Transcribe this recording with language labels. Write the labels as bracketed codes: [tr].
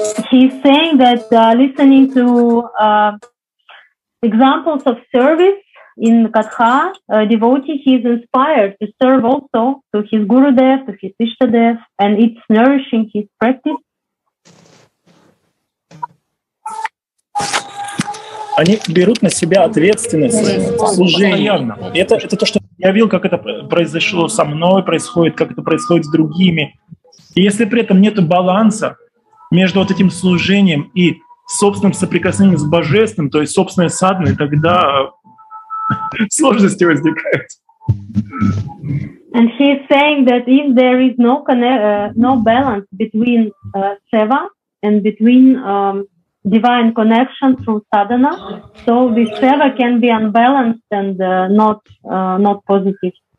[en] He's saying that listening to examples of service in Katha, devotee, he is inspired to serve also to his gurudev, to his ishtadev, and it's nourishing his practice. [ru] Они берут на себя ответственность в служении. Это то, что я видел, как это произошло со мной, происходит, как это происходит с другими. И если при этом нет баланса между вот этим служением и собственным соприкосновением с Божественным, то есть собственной садной, тогда сложности возникают. [en] And he is saying that if there is no balance between seva and between divine connection through sadhana, so this seva can be unbalanced and not positive.